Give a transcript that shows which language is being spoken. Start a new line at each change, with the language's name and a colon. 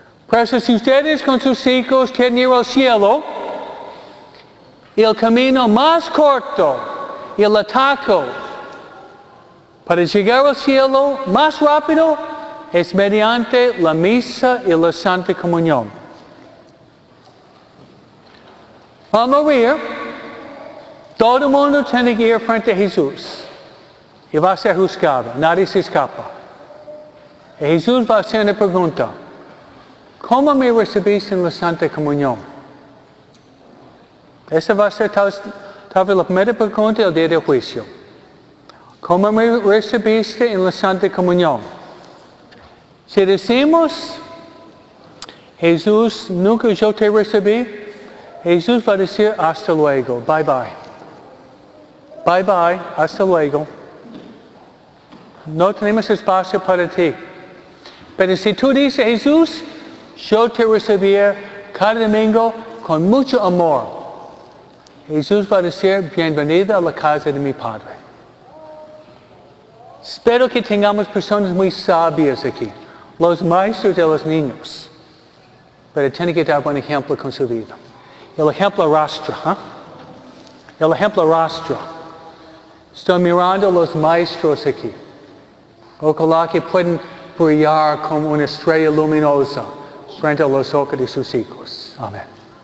Spanish: Pero si ustedes con sus hijos quieren ir al cielo, el camino más corto, el atajo para llegar al cielo más rápido es mediante la misa y la santa comunión. Vamos a ver.
Portuguese: Todo mundo tem que ir frente a Jesus. E vai ser juzgado.
Spanish: Nadie se escapa.
Portuguese: E Jesus vai fazer a pergunta. Como me recebiste na Santa Comunhão? Essa vai ser talvez a primeira pergunta do dia do juízo. Como me recebiste na Santa Comunhão? Se dizemos, Jesus, nunca eu te recebi, Jesus vai dizer,
Spanish: hasta luego,
English: bye bye. Bye bye,
Spanish: hasta luego.
Portuguese: Não temos espaço para ti. Mas se tu dizes, Jesus, eu te recebi cada domingo com muito amor, Jesus vai dizer,
Spanish: bienvenida a la casa de mi padre. Espero que tengamos personas muy sabias aquí. Los maestros de los niños. Pero tiene que dar buen ejemplo con su vida. El ejemplo arrastra, ¿eh? El ejemplo arrastra. Estoy mirando los maestros aquí. Ojalá que puedan brillar como una estrella luminosa frente a los ojos de sus hijos. Amén.